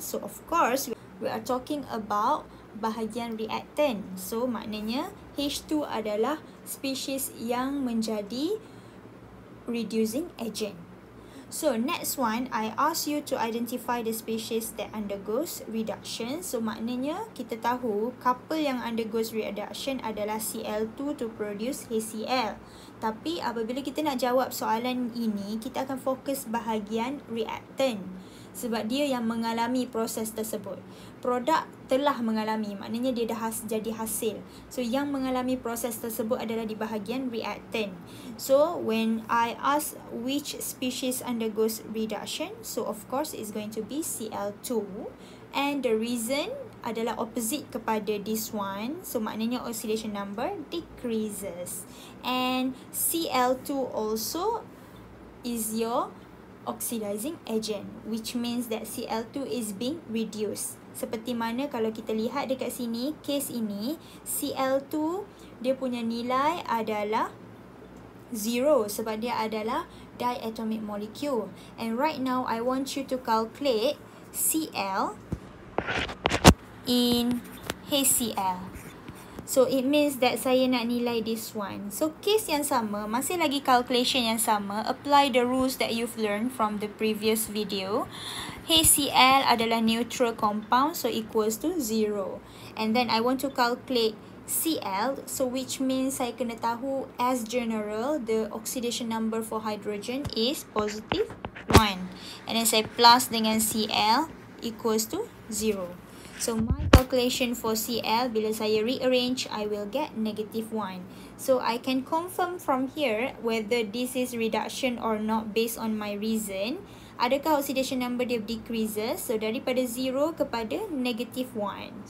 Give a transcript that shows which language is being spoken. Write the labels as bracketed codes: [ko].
[en] So, of course, we are talking about [ms] bahagian [en] reactant. [ms] So, maknanya H2 adalah species yang menjadi [en] reducing agent. So, next one, I ask you to identify the species that undergoes reduction. So, [ms] maknanya kita tahu [en] couple yang undergoes reduction [ms] adalah [en] Cl2 to produce HCl. [ms] Tapi, apabila kita nak jawab soalan ini, kita akan fokus bahagian reactant. Sebab dia yang mengalami proses tersebut. Produk telah mengalami, maknanya dia dah jadi hasil. So, yang mengalami proses tersebut adalah di bahagian reactant. [en] So, when I ask which species undergoes reduction, so of course it's going to be Cl2. And the reason [ms] adalah [en] opposite [ms] kepada [en] this one. So, maknanya oxidation number decreases. And Cl2 also is your oxidizing agent, which means that Cl2 is being reduced. [ms] Seperti mana kalau kita lihat dekat sini, case ini, Cl2 dia punya nilai adalah 0 sebab dia adalah diatomic molecule. [en] And right now, I want you to calculate Cl in HCl. So, it means that [ms] saya nak nilai [en] this one. So, case [ms] yang sama, masih lagi [en] calculation [ms] yang sama, [en] apply the rules that you've learned from the previous video. HCl [ms] adalah [en] neutral compound, so equals to 0. And then, I want to calculate Cl, so which means [ms] saya kena tahu [en] as general, the oxidation number for hydrogen is positive 1. And then, [ms] saya [en] plus [ms] dengan [en] Cl equals to 0. So, my calculation for Cl, [ms] bila saya [en] rearrange, I will get negative 1. So, I can confirm from here whether this is reduction or not based on my reason. [ms] Adakah [en] oxidation number [ms] dia [en] decreases? [ms] So, daripada 0 kepada [en] negative [ms] 1.